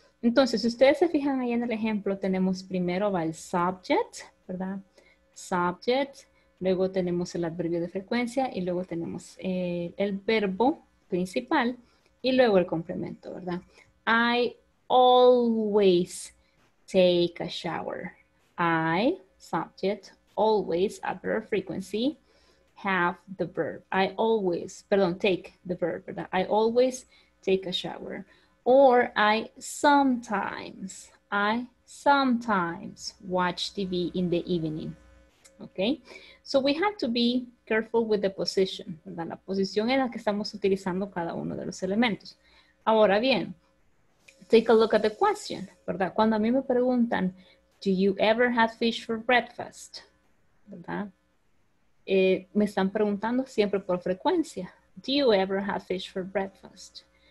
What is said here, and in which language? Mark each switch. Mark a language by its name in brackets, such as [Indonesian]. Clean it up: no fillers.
[Spanish] Entonces, si ustedes se fijan ahí en el ejemplo, tenemos primero va el subject, ¿verdad? Subject. Luego tenemos el adverbio de frecuencia y luego tenemos el verbo principal y luego el complemento, ¿verdad? [English] I always take a shower. I, subject, always, adverb of frequency, have the verb. I always, [Spanish] perdón, [English] take the verb, [Spanish] ¿verdad? [English] I always take a shower. Or I sometimes watch TV in the evening. Okay, so we have to be careful with the position, [Spanish] ¿verdad? La posición en la que estamos utilizando cada uno de los elementos. Ahora bien, [English] take a look at the question, [Spanish] ¿verdad? Cuando a mí me preguntan, [English] do you ever have fish for breakfast? [Spanish] ¿Verdad? Me están preguntando siempre por frecuencia. [English] Do you ever have fish for breakfast?